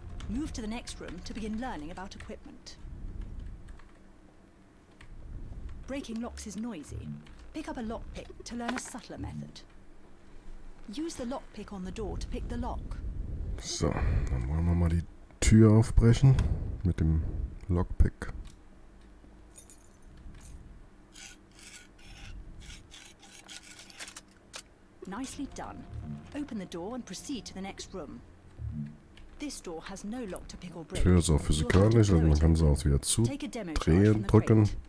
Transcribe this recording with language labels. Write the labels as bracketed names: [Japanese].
[English] Move to the next room to begin learning about equipment. Breaking locks is noisy. Pick up a lockpick to learn a subtler method. Use the lockpick on the door to pick the lock. [German] So, dann wollen wir mal die Tür aufbrechen mit dem Lockpick. [English] Nicely done. Open the door and proceed to the next room. This door has no lock to pick or break. [German] Tür ist auch physikalisch, also man kann sie auch wieder zu drehen, drücken.